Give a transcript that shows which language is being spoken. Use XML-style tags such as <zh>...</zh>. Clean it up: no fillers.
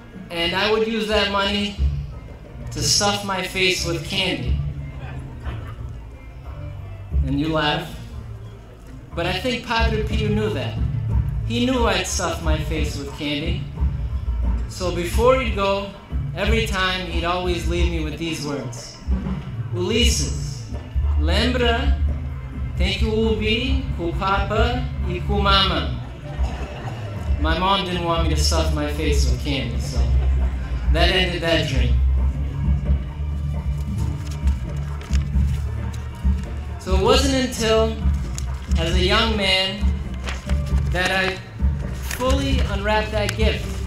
<en>And I would use that money to stuff my face with candy. And you laugh. But I think Padre Pio knew that. He knew I'd stuff my face with candy. So before he'd go, every time he'd always leave me with these words.</en> <pt>Ulises, lembra, tem que ouvir com o papa e com a mama.</pt> <en>My mom didn't want me to stuff my face with candy, so that ended that dream. So it wasn't until, as a young man, that I fully unwrapped that gift.</en>